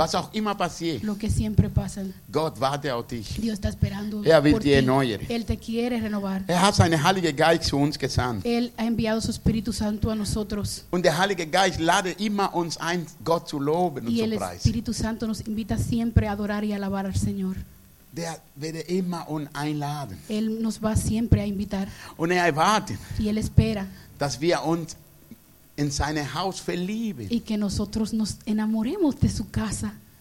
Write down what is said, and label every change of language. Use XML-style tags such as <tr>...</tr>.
<de>Was auch immer passiert.</de> <es>Lo que siempre pasa.</es> <de>Gott wartet auf dich.</de> <es>Dios está esperando por ti.</es> <de>Er will dich erneuern.</de> <es>Él te quiere renovar.</es> <de>Er hat seinen Heiligen Geist zu uns gesandt.</de> <es>Él ha enviado su Espíritu Santo a nosotros.</es> <de>Und der Heilige Geist lädt immer uns ein, Gott zu loben und zu preisen.</de> <es>Y el Espíritu Santo nos invita siempre a adorar y alabar al Señor.</es> <de>Der wird immer uns einladen.</de> <es>Él nos va siempre a invitar.</es> <de>Und er erwartet.</de> <es>Y él espera.</es> <de>Dass wir uns in seine Haus verlieben.</de> <es>Y que nosotros nos enamoremos de su casa.</es>